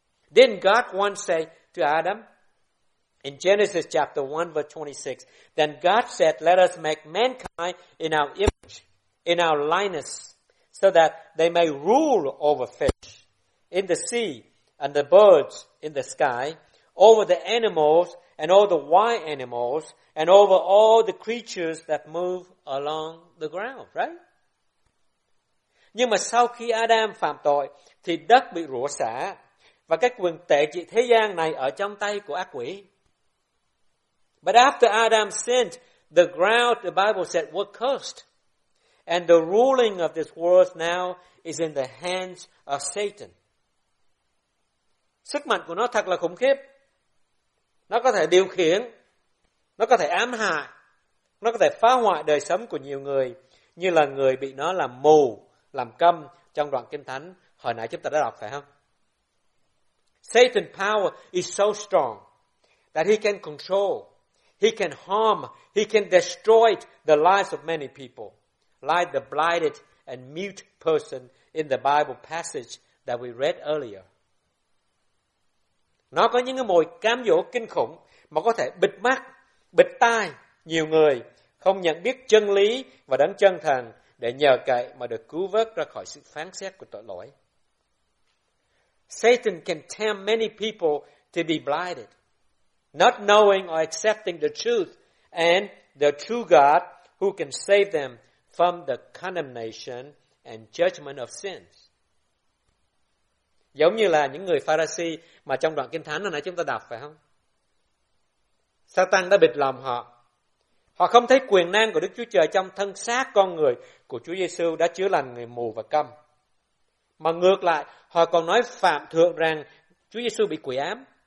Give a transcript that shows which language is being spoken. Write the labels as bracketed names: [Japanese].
[English] Didn't God once say to Adam in Genesis chapter 1 verse 26, then God said, let us make mankind in our image, in our likeness, so that they may rule over fish in the sea and the birds in the sky, over the animals and all the wild animals, and over all the creatures that move along the ground, right? [Vietnamese] Nhưng mà sau khi Adam phạm tội, thì đất bị rủa xả, và cái quyền tể trị thế gian này ở trong tay của ác quỷ. [English] But after Adam sinned, the ground, the Bible said, was cursed. And the ruling of this world now is in the hands of Satan. [Vietnamese] Sức mạnh của nó thật là khủng khiếp. Nó có thể điều khiển, nó có thể ám hại, nó có thể phá hoại đời sống của nhiều người, như là người bị nó làm mù, làm câm trong đoạn Kinh Thánh hồi nãy chúng ta đã đọc phải không? [English] Satan's power is so strong that he can control, he can harm, he can destroy the lives of many people, like the blinded and mute person in the Bible passage that we read earlier. [Vietnamese] Nó có những cái mồi cám dỗ kinh khủng mà có thể bịt mắt, bịt tai nhiều người không nhận biết chân lý và đấng chân thần để nhờ cậy mà được cứu vớt ra khỏi sự phán xét của tội lỗi. [English] Satan can tempt many people to be blinded, not knowing or accepting the truth and the true God who can save them from the condemnation and judgment of sins. [Vietnamese] Giống như là những người Pharisee mà trong đoạn Kinh Thánh hồi nãy chúng ta đọc phải không? Satan đã bịt lòng họ. Họ không thấy quyền năng của Đức Chúa Trời trong thân xác con người của Chúa Giêsu đã chữa lành người mù và câm. Mà ngược lại, họ còn nói phạm thượng rằng Chúa Giêsu bị quỷ ám.